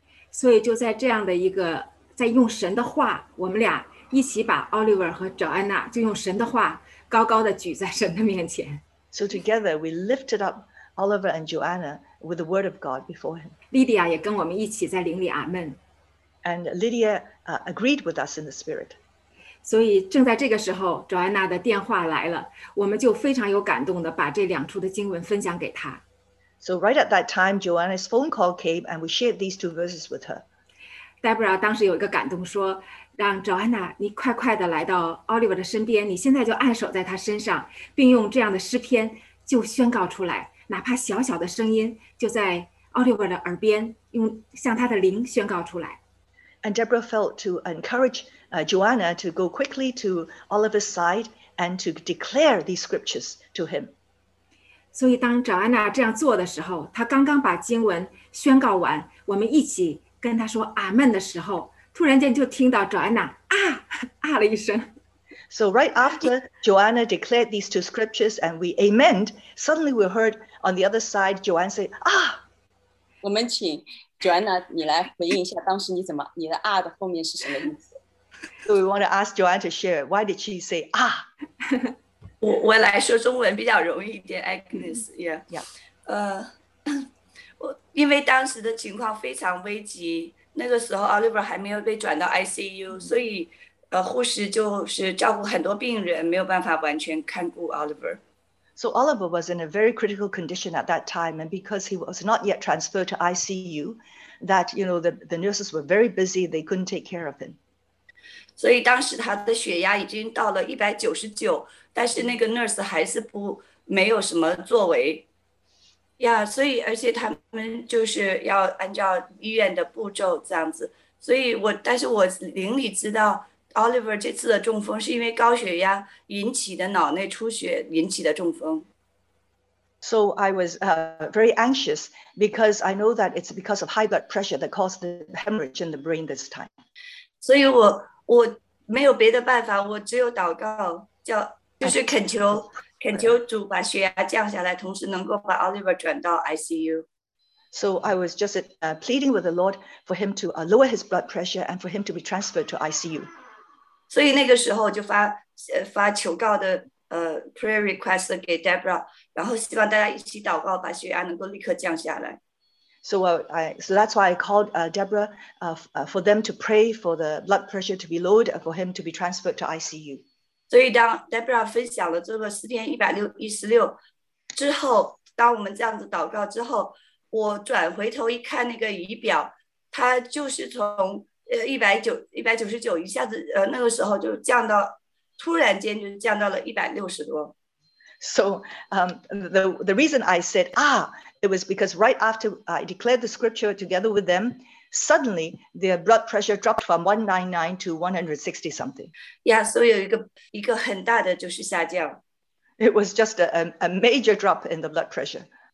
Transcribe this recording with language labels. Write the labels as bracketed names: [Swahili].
[Chinese] 所以就在这样的一个，在用神的话，我们俩一起把 Oliver 和 Joanna 就用神的话高高的举在神的面前。 [English] So together we lifted up Oliver and Joanna with the word of God before him. [Chinese] Lydia 也跟我们一起在灵里阿们。 [English] And Lydia agreed with us in the spirit. [Chinese] 所以正在这个时候 ，Joanna 的电话来了，我们就非常有感动的把这两处的经文分享给她。 [English] So right at that time, Joanna's phone call came, and we shared these two verses with her. [Chinese] Deborah 当时有一个感动说，让 Joanna 你快快的来到 Oliver 的身边，你现在就按手在他身上，并用这样的诗篇就宣告出来，哪怕小小的声音就在 Oliver 的耳边，用向他的灵宣告出来。 [English] And Deborah felt to encourage Joanna to go quickly to Oliver's side and to declare these scriptures to him. [Chinese] 所以当 Joanna 这样做的时候，她刚刚把经文宣告完，我们一起跟她说阿们的时候，突然间就听到 Joanna 啊啊了一声。 [English] So right after Joanna declared these two scriptures and we amened, suddenly we heard on the other side Joanna say, ah! [Chinese] 我们请Joanna, 你来回应一下，当时你怎么，你的啊的后面是什么意思 [English] ？So we want to ask Joanna to share. Why did she say 啊？ [Chinese] 我来说中文比较容易一点 ，Agnes, yeah, [English] yeah. [Chinese] 我因为当时的情况非常危急，那个时候 Oliver 还没有被转到 ICU, 所以护士就是照顾很多病人，没有办法完全看顾 Oliver. [English] So Oliver was in a very critical condition at that time, and because he was not yet transferred to ICU, that, you know, the nurses were very busy, they couldn't take care of him. [Chinese] 所以当时他的血压已经到了199，但是那个 nurse 还是不，没有什么作为。 Yeah, 所以而且他们就是要按照医院的步骤这样子。所以我，但是我灵里知道Oliver 这次的中风是因为高血压引起的脑内出血引起的中风。 [English] So I was very anxious because I know that it's because of high blood pressure that caused the hemorrhage in the brain this time. [Chinese] 所以我没有别的办法，我只有祷告，就是恳求主把血压降下来，同时能够把 Oliver 转到 ICU。 [English] So I was just pleading with the Lord for him to lower his blood pressure and for him to be transferred to ICU. [Chinese] 所以那个时候就发求告的 [English] prayer request [Chinese] 给 Deborah, 然后希望大家一起祷告，把血压能够立刻降下来。 [English] So so that's why I called Deborah for them to pray for the blood pressure to be lowered and for him to be transferred to ICU. [Chinese] 所以当 Deborah 分享了这个诗篇116之后，当我们这样子祷告之后，我转回头一看那个仪表，它就是从199一下子那个时候就降到，突然间就降到了160多。 [English] So the reason I said ah, it was because right after I declared the scripture together with them, suddenly their blood pressure dropped from 199 to 160 something. Yeah, so [Chinese] 有一个很大的就是下降。 [English] It was just a major drop in the blood pressure.